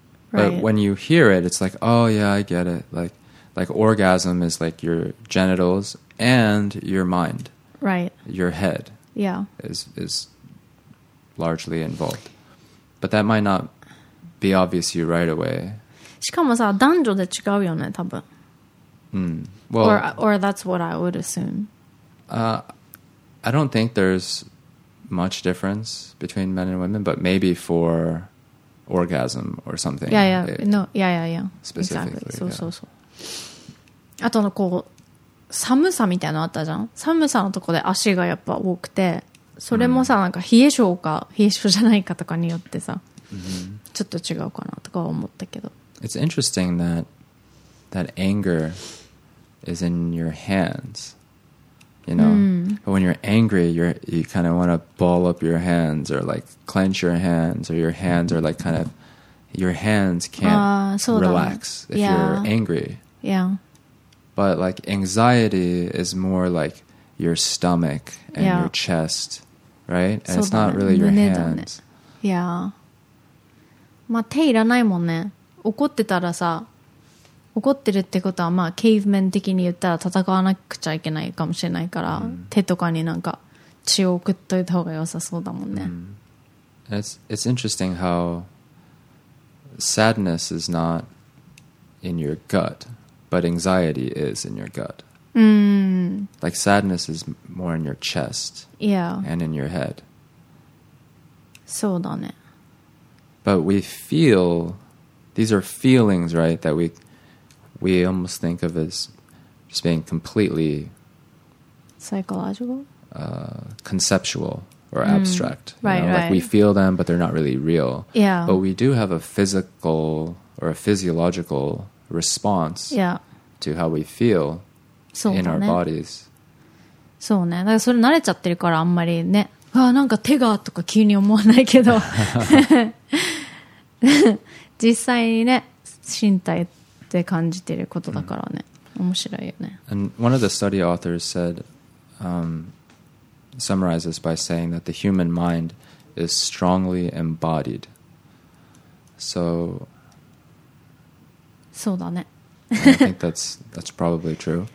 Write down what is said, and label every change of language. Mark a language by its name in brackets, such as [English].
[English] But when you hear it, it's like, oh yeah, I get it. Like orgasm is like your genitals and your mind. Right. Your head. Yeah. Is largely involved. But that might not be obvious to you right away. [Japanese] しかもさ、男女で違うよね、多分。 [English] Well, or that's what I would assume. I don't think there's much difference between men and women, but maybe for orgasm or something. Yeah, yeah, it, no, yeah, yeah, yeah. Specifically, exactly. So, yeah. So, so. [Japanese] あとのこう寒さみたいなのあったじゃん。寒さのとこで足がやっぱ多くて、それもさ、mm. なんか冷え性か冷え性じゃないかとかによってさ、 mm-hmm. ちょっと違うかなとか思ったけど。 [English] It's interesting that anger is in your hands. You know,、mm. but when you're angry, you kind of want to ball up your hands or like clench your hands or your hands are like kind of, your hands can't relax if、 yeah. you're angry. Yeah. But like anxiety is more like your stomach and、yeah. your chest, right? And it's not really your hands. Yeah. [Japanese] まあ手いらないもんね。怒ってたらさ。怒ってるってことはまあケーブメン的に言ったら戦わなくちゃいけないかもしれないから、mm. 手とかになんか血を送っといた方が良さそうだもんね、mm. [English] It's interesting how sadness is not in your gut but anxiety is in your gut、 mm. like sadness is more in your chest、 yeah. and in your head [Japanese] そうだね [English] but we feel these are feelings right that we almost think of as just being completely psychological, conceptual or abstract.、 Mm, right, you know? right. Like we feel them, but they're not really real. Yeah. But we do have a physical or a physiological response、 yeah. to how we feel in our bodies. [Japanese] そうね。だからそれ慣れちゃってるからあんまりね、あ、なんか手がとか急に思わないけど、実際にね、身体ってで感じてることだからね、mm. 面白いよね [English] And one of the study authors said、summarizes by saying that the human mind is strongly embodied so [Japanese] そうだね [English] I think that's probably true